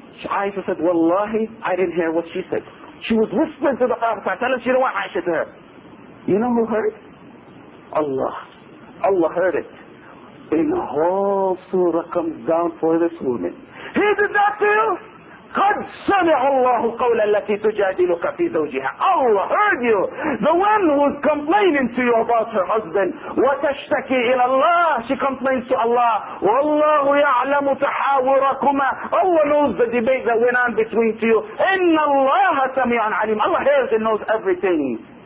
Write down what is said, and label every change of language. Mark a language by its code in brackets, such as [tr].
[en] Aisha said, wallahi, I didn't hear what she said. She was whispering to the Prophet ﷺ, she didn't want Aisha to hear. You know who heard? Allah. Allah heard it. And the whole surah comes down for this woman. He did that to you? [ar] قَدْ سَمِعُ اللَّهُ قَوْلَ الَّتِي تُجَادِلُكَ فِي زَوْجِهَا [en] Allah heard you. The one who's complaining to you about her husband. [ar] وَتَشْتَكِي إِلَى اللَّهِ [en] She complains to Allah. [ar] وَاللَّهُ يَعْلَمُ تَحَاوِرَكُمَا [en] Allah knows the debate that went on between you. [ar] إِنَّ اللَّهَ سَمِعًا عَلِيمًا [en] Allah hears and knows everything.